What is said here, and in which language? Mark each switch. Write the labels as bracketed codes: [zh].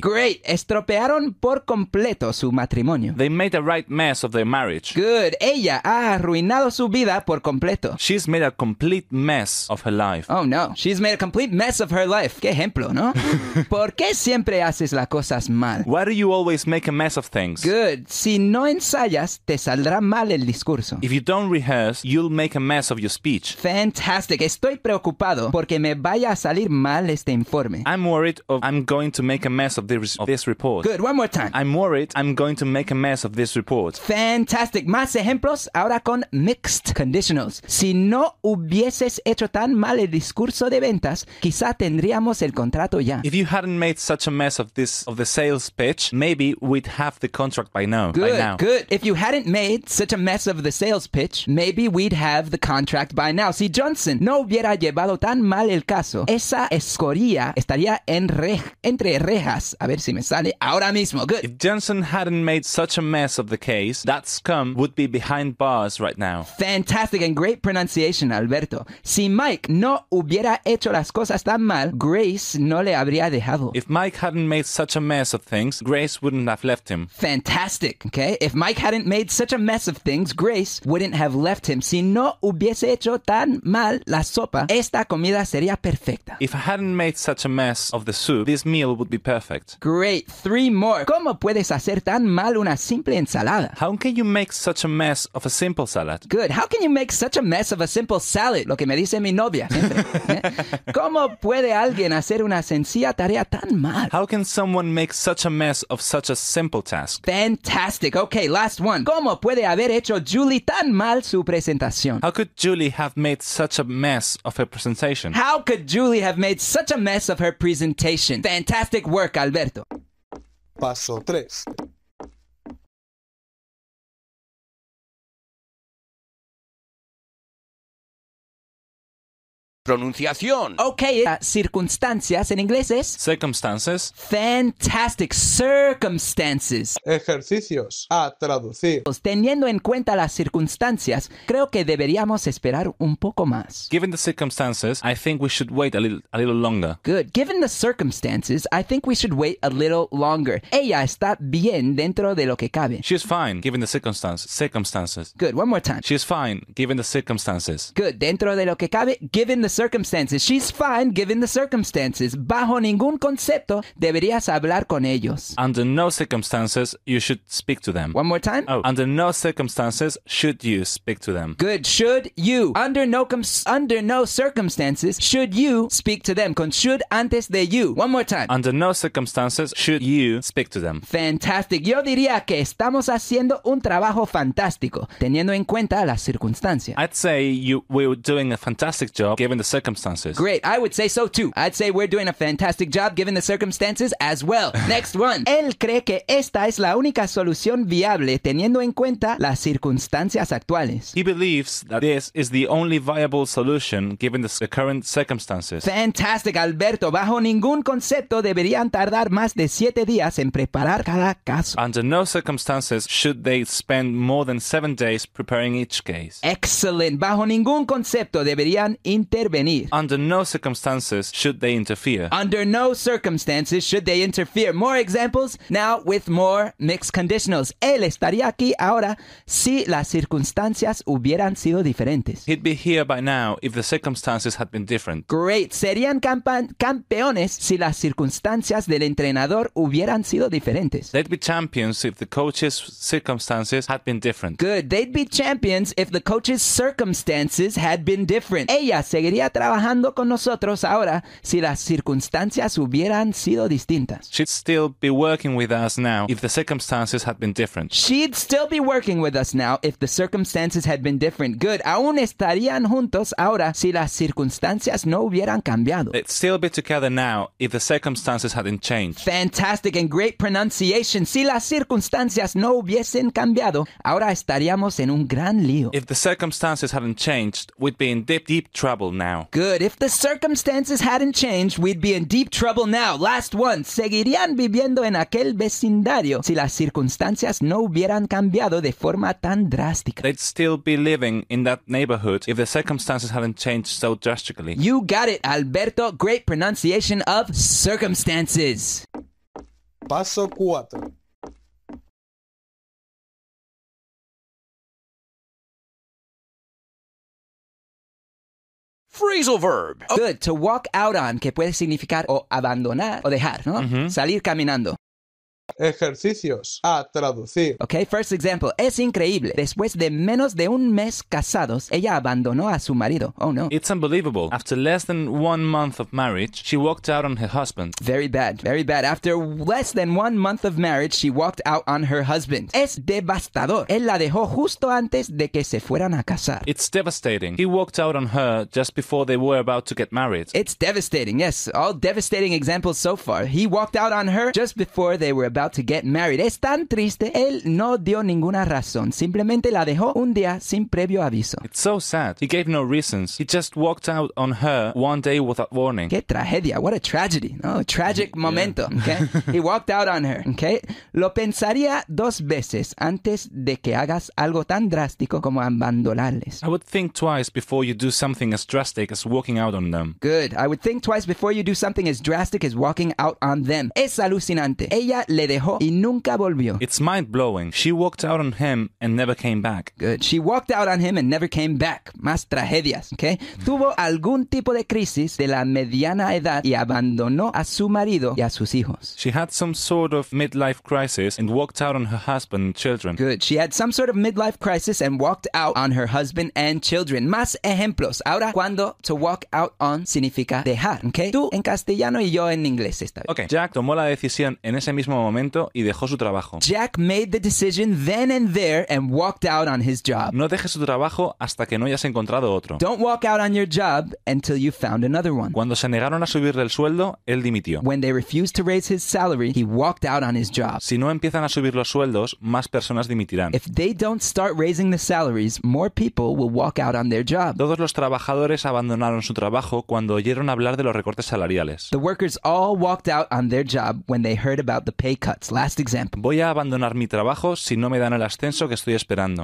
[es] Great, estropearon por completo su matrimonio. [en] They made a right mess of their marriage. [es] Good, ella ha arruinado su vida por completo. [en] She's made a complete mess of her life. Oh no, she's made a complete mess of her life. [es] Qué ejemplo, ¿no? ¿Por qué siempre haces las cosas mal? [en] Why do you always make a mess of things? Good. [es] Si no ensayas, te saldrá mal el discurso. [en] If you don't rehearse, you'll make a mess of your speech. Fantastic. [es] Estoy preocupado porque me vaya a salir mal este informe. [en] I'm worried of I'm going to make a mess of this report. Good. One more time. I'm worried I'm going to make a mess of this report. [es] Fantastic. Más ejemplos ahora con mixed conditionals. Si no hubieses hecho tan mal el discurso de ventas, quizá tendríamos el contrato ya. [en] If you hadn't made such a mess of the sales pitch, maybe we'd have the contract by now. Good, by now. Good. If you hadn't made such a mess of the sales pitch, maybe we'd have the contract by now. [es] Si Johnson no hubiera llevado tan mal el caso, esa escoria estaría entre rejas. A ver si me sale ahora mismo. Good. [en] If Johnson hadn't made such a mess of the case, that scum would be behind bars right now. Fantastic and great pronunciation, Alberto. [es] Si Mike no hubiera hecho las cosas tan mal, Grace no le habría dejado. [en] If Mike hadn't made such a mess of things, Grace wouldn't have left him. Fantastic, okay? If Mike hadn't made such a mess of things, Grace wouldn't have left him. [es] Si no hubiese hecho tan mal la sopa, esta comida sería perfecta. [en] If I hadn't made such a mess of the soup, this meal would be perfect. Great, three more. [es] ¿Cómo puedes hacer tan mal una simple ensalada? [en] How can you make such a mess of a simple salad? Good. salad. How can you make such a mess of a simple salad? [es] Lo que me dice mi novia. ¿Cómo puede alguien hacer una sencilla tarea tan mal? [en] How can someone make such a mess of such a simple task? Fantastic. Okay, last one. [es] ¿Cómo puede haber hecho Julie tan mal su presentación? [en] How could Julie have made such a mess of her presentation? How could Julie have made such a mess of her presentation? Fantastic work, Alberto. [es] Paso 3. Pronunciación. Okay, circunstancias en inglés es... [en] Circumstances. Fantastic. Circumstances. [es] Ejercicios a traducir. Teniendo en cuenta las circunstancias, creo que deberíamos esperar un poco más. [en] Given the circumstances, I think we should wait a little longer. Good. Given the circumstances, I think we should wait a little longer. [es] Ella está bien dentro de lo que cabe. [en] She's fine, given the circumstances. Good. One more time. She's fine, given the circumstances. Good. [es] Dentro de lo que cabe, [en] given the circumstances. She's fine given the circumstances. [es] Bajo ningún concepto deberías hablar con ellos. [en] Under no circumstances you should speak to them. One more time. Oh, under no circumstances should you speak to them. Good. Should you. Under no circumstances should you speak to them. [es] Con should antes de you. One more time. [en] Under no circumstances should you speak to them. Fantastic. [es] Yo diría que estamos haciendo un trabajo fantástico, teniendo en cuenta las circunstancias. [en] I'd say we're doing a fantastic job given the circumstances. Great, I would say so too. I'd say we're doing a fantastic job given the circumstances as well. Next one. [es] Él cree que esta es la única solución viable teniendo en cuenta las circunstancias actuales. [en] He believes that this is the only viable solution given the current circumstances. Fantastic, Alberto. [es] Bajo ningún concepto deberían tardar más de 7 días en preparar cada caso. [en] Under no circumstances should they spend more than 7 days preparing each case. [es] Excellent. Bajo ningún concepto deberían intervenir. [en] Under no circumstances should they interfere. Under no circumstances should they interfere. More examples now with more mixed conditionals. [es] Él estaría aquí ahora si las circunstancias hubieran sido diferentes. [en] He'd be here by now if the circumstances had been different. Great. [es] Serían campeones si las circunstancias del entrenador hubieran sido diferentes. [en] They'd be champions if the coach's circumstances had been different. Good. They'd be champions if the coach's circumstances had been different. [es] Ella seguiría trabajando con nosotros ahora si las circunstancias hubieran sido distintas. [en] She'd still be working with us now if the circumstances had been different. She'd still be working with us now if the circumstances had been different. Good. [es] Aún estarían juntos ahora si las circunstancias no hubieran cambiado. [en] They'd still be together now if the circumstances hadn't changed. Fantastic and great pronunciation. [es] Si las circunstancias no hubiesen cambiado, ahora estaríamos en un gran lío. [en] If the circumstances hadn't changed, we'd be in deep trouble now. Good. If the circumstances hadn't changed, we'd be in deep trouble now. Last one. [es] ¿Seguirían viviendo en aquel vecindario si las circunstancias no hubieran cambiado de forma tan drástica? [en] They'd still be living in that neighborhood if the circumstances hadn't changed so drastically. You got it, Alberto. Great pronunciation of circumstances. [es] Paso 4. [en] Phrasal verb. Good. [es] To walk out on, que puede significar o abandonar o dejar, ¿no? Mm-hmm. Salir caminando. Ejercicios a traducir. [en] Okay, first example. [es] Es increíble. Después de menos de un mes casados, ella abandonó a su marido. [en] Oh, no. It's unbelievable. After less than 1 month of marriage, she walked out on her husband. Very bad. Very bad. After less than 1 month of marriage, she walked out on her husband. [es] Es devastador. Él la dejó justo antes de que se fueran a casar. [en] It's devastating. He walked out on her just before they were about to get married. It's devastating. Yes, all devastating examples so far. He walked out on her just before they were about to get married. [es] Es tan triste. Él no dio ninguna razón. Simplemente la dejó un día sin previo aviso. [en] It's so sad. He gave no reasons. He just walked out on her one day without warning. [es] Qué tragedia. [en] What a tragedy. No, a tragic momento. Yeah. Okay. He walked out on her. Okay. [es] Lo pensaría dos veces antes de que hagas algo tan drástico como abandonarles. [en] I would think twice before you do something as drastic as walking out on them. Good. I would think twice before you do something as drastic as walking out on them. [es] Es alucinante. Ella le dejó y nunca volvió. [en] It's mind-blowing. She walked out on him and never came back. Good. She walked out on him and never came back. [es] Más tragedias, ¿ok? Tuvo algún tipo de crisis de la mediana edad y abandonó a su marido y a sus hijos. [en] She had some sort of midlife crisis and walked out on her husband and children. Good. She had some sort of midlife crisis and walked out on her husband and children. [es] Más ejemplos. Ahora, cuando to walk out on significa dejar, ¿ok? Tú en castellano y yo en inglés esta vez. [en] Ok. [es] Jack tomó la decisión en ese mismo momento y dejó su trabajo. [en] Jack made the decision then and there and walked out on his job. [es] No dejes su trabajo hasta que no hayas encontrado otro. [en] Don't walk out on your job until you've found another one. [es] Cuando se negaron a subirle el sueldo, él dimitió. [en] When they refused to raise his salary, he walked out on his job. [es] Si no empiezan a subir los sueldos, más personas dimitirán. [en] If they don't start raising the salaries, more people will walk out on their job. [es] Todos los trabajadores abandonaron su trabajo cuando oyeron hablar de los recortes salariales. [en] The workers all walked out on their job when they heard about the pay cuts. Last example. [es] Voy a abandonar mi trabajo si no me dan el ascenso que estoy esperando.